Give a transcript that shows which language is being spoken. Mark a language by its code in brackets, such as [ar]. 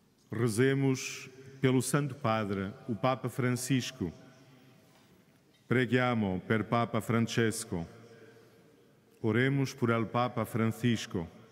[pt] Rezemos pelo Santo Padre, o Papa Francisco. [it] Preghiamo per Papa Francesco. [es] Oremos por el Papa Francisco.